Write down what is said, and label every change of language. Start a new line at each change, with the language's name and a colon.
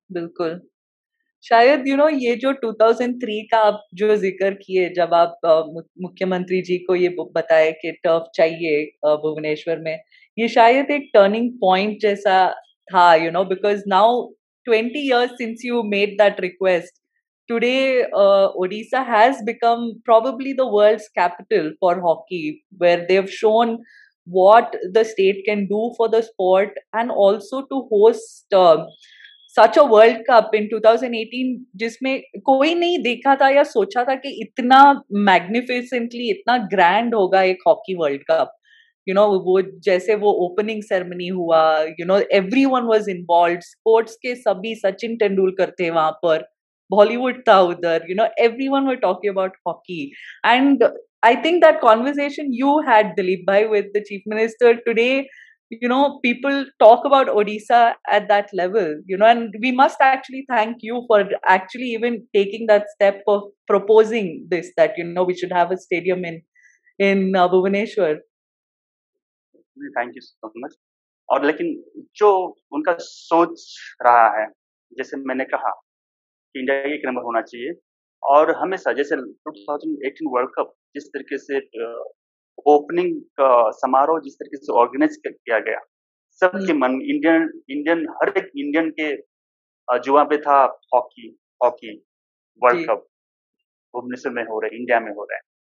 Hindi: बिल्कुल, शायद ये जो 2003 का आप जो जिक्र किए, जब आप मुख्यमंत्री जी को ये बताए कि टर्फ चाहिए भुवनेश्वर में, ये शायद एक टर्निंग पॉइंट जैसा था,
English: because now 20 years since you made that request, today, Odisha has become probably the world's capital for hockey, where they've shown what the state can do for the sport, and also to host such a World Cup in 2018,
Hindi: जिसमें कोई नहीं देखा था या सोचा था कि इतना magnificently, इतना grand होगा एक
English: hockey World Cup. You know,
Hindi: वो जैसे वो
English: opening ceremony हुआ, you know, everyone was involved.
Hindi: Sports के सभी सचिन तेंदुलकर थे वहाँ पर, Bollywood था उधर,
English: you know, everyone were talking about hockey. And I think that conversation you had, Dilip bhai, with the Chief Minister today, you know, people talk about Odisha at that level, you know, and we must actually thank you for actually even taking that step of proposing this, that, you know, we should have a stadium in Bhubaneswar. Thank you so much.
Hindi: और लेकिन जो उनका सोच रहा है, जैसे मैंने कहा कि इंडिया एक नंबर होना चाहिए, और हमेशा जैसे 2018 वर्ल्ड कप जिस तरीके से ओपनिंग का समारोह जिस तरीके से ऑर्गेनाइज किया गया, सबके मन इंडियन हर एक इंडियन के जुआ पे था हॉकी वर्ल्ड कप भुवनेश्वर में हो रहा है, इंडिया में हो रहा है.